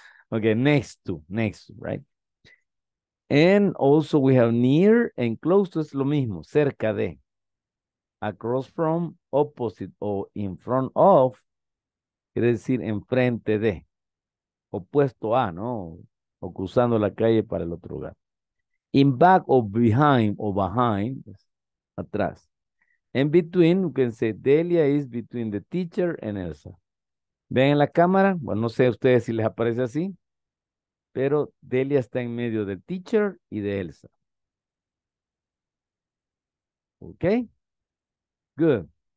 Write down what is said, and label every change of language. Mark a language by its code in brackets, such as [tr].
[en] Ok, next to, right? And also we have near and close to, [es] es lo mismo, cerca de. [en] Across from, opposite, [es] o [en] in front of, [es] quiere decir enfrente de, opuesto a, ¿no? O cruzando la calle para el otro lugar. [en] In back or behind, atrás. In between, you can say Delia is between the teacher and Elsa. [es] ¿Ven en la cámara? Bueno, no sé a ustedes si les aparece así, pero Delia está en medio del teacher y de Elsa. [en] ¿Ok? Good.